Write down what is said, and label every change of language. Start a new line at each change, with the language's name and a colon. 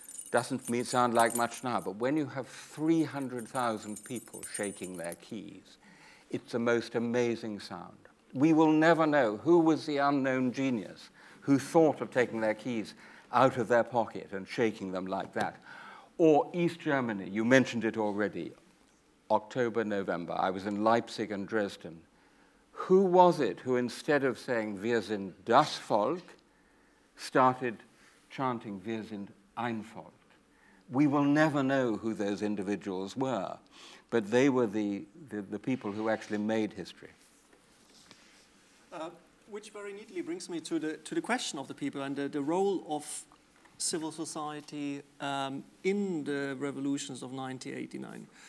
English: Doesn't mean sound like much now, but when you have 300,000 people shaking their keys, it's the most amazing sound. We will never know who was the unknown genius who thought of taking their keys out of their pocket and shaking them like that. Or East Germany, you mentioned it already, October, November, I was in Leipzig and Dresden. Who was it who, instead of saying,
German: wir sind das Volk,
English: started chanting,
German: wir sind ein Volk?
English: We will never know who those individuals were, but they were the people who actually made history. Which very neatly brings me to the question of the people and the role of civil society in the revolutions of 1989.